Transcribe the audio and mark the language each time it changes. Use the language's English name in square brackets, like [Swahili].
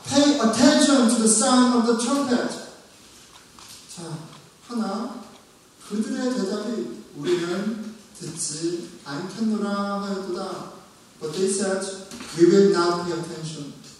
[English] Pay attention to the sound of the trumpet. [Korean] 자, 하나 그들의 대답이 우리는 듣지 않겠노라 하였도다. [English] But they said, we will not pay attention.